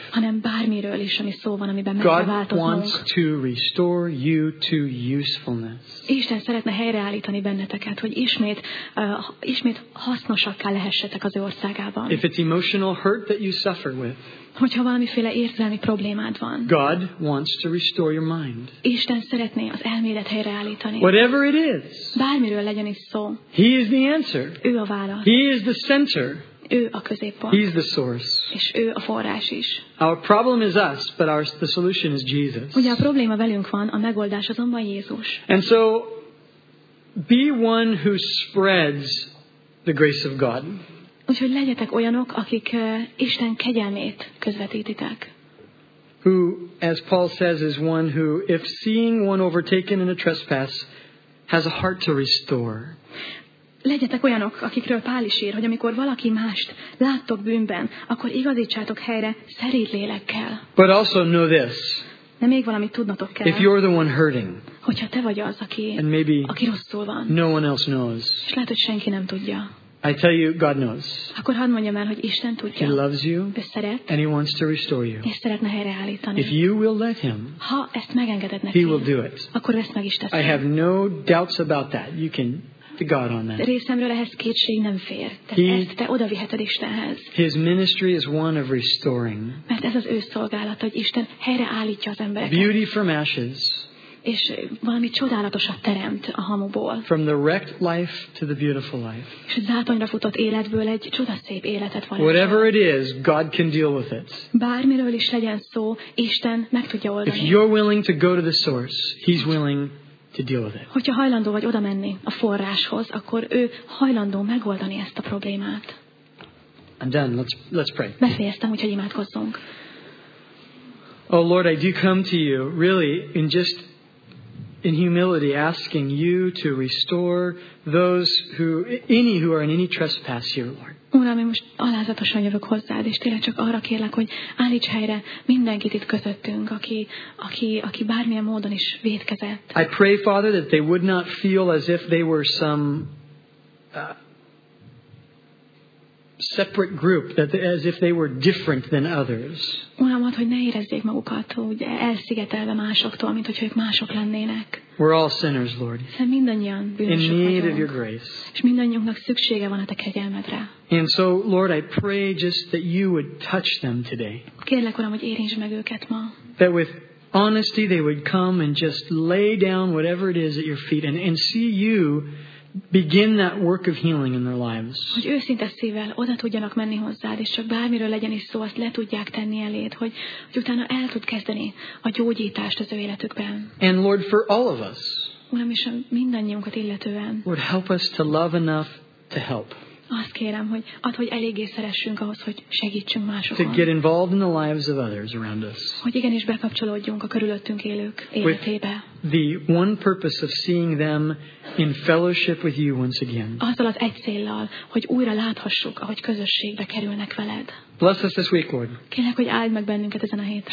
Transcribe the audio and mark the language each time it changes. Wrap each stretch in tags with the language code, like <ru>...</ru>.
<hu>Hanem bármiről is, ami szó van, amiben meg kell változnunk.</hu> <en>God wants to restore you to usefulness.</en> <hu>Isten szeretne helyreállítani benneteket, hogy ismét hasznosakká lehessetek az ő országában.</hu> <en>If it's emotional hurt that you suffer with.</en> <hu>Hogyha valamiféle érzelmi problémád van.</hu> <en>God wants to restore your mind.</en> <hu>Isten szeretné az elmédet helyreállítani.</hu> <en>Whatever it is.</en> <hu>Bármiről legyen is szó.</hu> <en>He is the answer.</en> <hu>Ő a válasz.</hu> <en>He is the center.</en> <hu>Ő a középpont.</hu> <en>He's the source.</en> <hu>És ő a forrás is.</hu> <en>Our problem is us, but the solution is Jesus.</en> <hu>Ugye a probléma velünk van, a megoldás azonban Jézus.</hu> <en>And so, be one who spreads the grace of God.</en> <hu>Úgyhogy legyetek olyanok, akik Isten kegyelmét közvetítitek.</hu> <en>Who, as Paul says, is one who, if seeing one overtaken in a trespass, has a heart to restore.</en> <hu>Legyetek olyanok, akikről Pál is ír, hogy amikor valaki mást láttok bűnben, akkor igazítsátok helyre szerint lélekkel.</hu> <en>But also know this.</en> <hu>De még valamit tudnatok kell.</hu> <en>If you're the one hurting,</en> <hu>hogyha te vagy az, aki</hu> <en>and maybe</en> <hu>aki rosszul van,</hu> <en>no one else knows.</en> <hu>És lehet, hogy senki nem tudja.</hu> <en>I tell you, God knows.</en> <hu>Akkor hadd mondjam el, hogy Isten tudja.</hu> <en>He loves you.</en> <hu>Ő szeret.</hu> <en>And he wants to restore you.</en> <hu>És szeretne helyreállítani.</hu> <en>If you will let him,</en> <hu>ha ezt megengeded neki,</hu> <en>he will do it.</en> <hu>Akkor ezt meg is teszi.</hu> <en>I have no doubts about that. You can to God on that.</en> <hu>Részemről ehhez kétség nem fér. Tehát ezt te oda viheted Istenhez.</hu> <en>His ministry is one of restoring.</en> <hu>Mert ez az ő szolgálata, hogy Isten helyreállítja az embereket.</hu> <en>Beauty from ashes.</en> <hu>És valami csodálatosat teremt a hamuból.</hu> <en>From the wrecked life to the beautiful life.</en> <hu>És az zátonyra futott életből egy csodaszép életet van.</hu> <en>Whatever it is, God can deal with it.</en> <hu>Bármiről is legyen szó, Isten meg tudja oldani.</hu> <en>If you're willing to go to the source, he's willing to deal with it.</en> <hu>Hogyha hajlandó vagy oda menni a forráshoz, akkor ő hajlandó megoldani ezt a problémát.</hu> <en>I'm done. Let's pray.</en> <hu>Befejeztem, úgyhogy imádkozzunk.</hu> <en>Oh Lord, I do come to you really in just in humility asking you to restore those who any who are in any trespass here, Lord.</en> <hu>Uram, én most alázatosan jövök hozzád, és tényleg csak arra kérlek, hogy állíts helyre mindenkit itt közöttünk, aki bármilyen módon is vétkezett.</hu> <en>I pray, Father, that they would not feel as if they were some separate group, that as if they were different than others.</en> <hu>Uram, hadd, hogy ne érezzék magukat, hogy elszigetelve másoktól, mint hogyha ők mások lennének.</hu> <en>We're all sinners, Lord.</en> <hu>Mindannyian bűnösök</hu> <en>in need</en> <hu>vagyunk,</hu> <en>of your grace.</en> <hu>És mindannyiunknak szüksége van a te kegyelmedre.</hu> <en>And so, Lord, I pray just that you would touch them today.</en> <hu>Kérlek, Uram, hogy érintsd meg őket ma.</hu> <en>That with honesty they would come and just lay down whatever it is at your feet and see you begin that work of healing in their lives.</en> <hu>Hogy őszinte szívvel oda tudjanak menni hozzád, és csak bármiről legyen is szó, azt le tudják tenni eléd, hogy utána el tud kezdeni a gyógyítást az ő életükben.</hu> <en>And Lord, for all of us.</en> <hu>Uram, és mindannyiunkat illetően.</hu> <en>Lord, help us to love enough to help.</en> <hu>Azt kérem, hogy add, hogy eléggé szeressünk ahhoz, hogy segítsünk másokon.</hu> <en>To get involved in the lives of others around us.</en> <hu>Hogy igenis bekapcsolódjunk a körülöttünk élők életébe.</hu> <en>With the one purpose of seeing them in fellowship with you once again.</en> <hu>Azzal az egy céllal, hogy újra láthassuk, ahogy közösségbe kerülnek veled.</hu> <en>Bless us this week, Lord.</en> <hu>Kérlek, hogy áld meg bennünket ezen a héten.</hu>